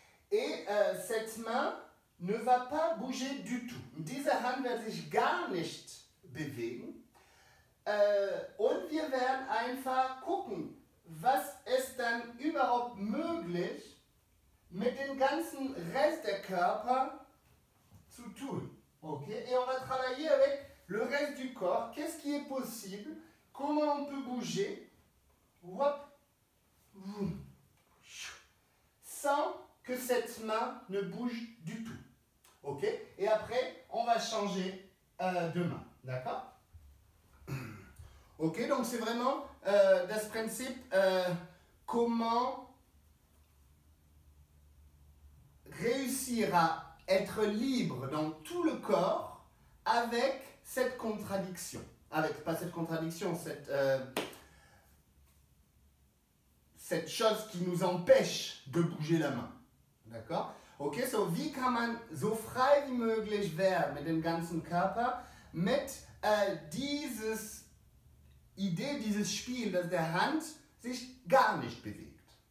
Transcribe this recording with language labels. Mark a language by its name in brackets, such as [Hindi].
[French] Et cette main ne va pas bouger du tout. [German] Diese Hand wird sich gar nicht bewegen. Und wir werden einfach gucken, was ist dann überhaupt möglich mit dem ganzen Rest der Körper zu tun. Okay? [French] Et on va travailler avec le reste du corps. Qu'est-ce qui est possible? Comment on peut bouger? Hop. Sans que cette main ne bouge du tout. Okay? Et après, on va changer de main. D'accord? Okay? Donc, c'est vraiment [German] das Prinzip, [French] comment réussir à être libre dans tout le corps avec cette contradiction. Avec, pas cette contradiction, cette chose qui nous empêche de bouger la main. D'accord? [German] Ok, so wie kann man so frei wie möglich werden mit dem ganzen Körper, mit dieses Idee, dieses Spiel, dass der Hand sich gar nicht bewegt.